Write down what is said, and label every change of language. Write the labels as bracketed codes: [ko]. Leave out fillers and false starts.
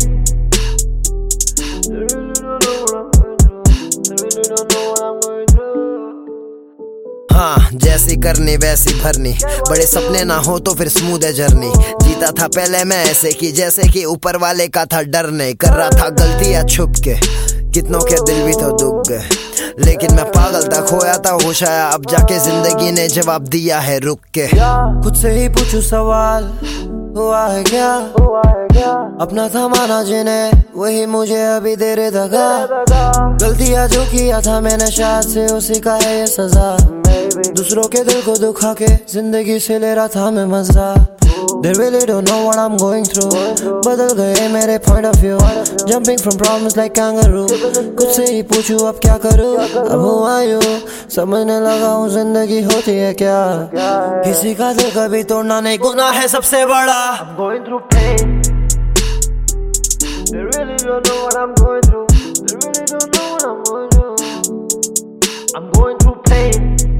[en] They really don't know what I'm going through. They really don't know what I'm going through. [hi] हाँ जैसी करनी वैसी भरनी बड़े सपने ना हो तो फिर स्मूद है जर्नी जीता था पहले मैं ऐसे कि जैसे कि ऊपर वाले का था डर नहीं कर रहा था गलती या छुप के कितनों के दिल भी तो दुख गए लेकिन मैं पागल था खोया था होश आया अब जाके जिंदगी ने जवाब दिया है रुक के खुद से ही पूछूं सवाल हुआ है क्या अपना था माना जिने वही मुझे अभी देर दगा गलतियाँ जो किया था मैंने शायद से उसी का है ये सजा दूसरों के दिल को दुखा के जिंदगी से ले रहा था मैं मजा [en] They really don't know what I'm going through [hi] बदल गए मेरे [en] point of view Jumping from problems like kangaroo [hi] कुछ से ही पूछूं अब क्या करूं अब [en] who are you [hi] समझने लगा हूं जिंदगी होती है क्या किसी का दिल कभी तोड़ना नहीं गुनाह है सबसे बड़ा [en] I'm going through pain They really don't know what I'm going through They really don't know what I'm going through I'm going through pain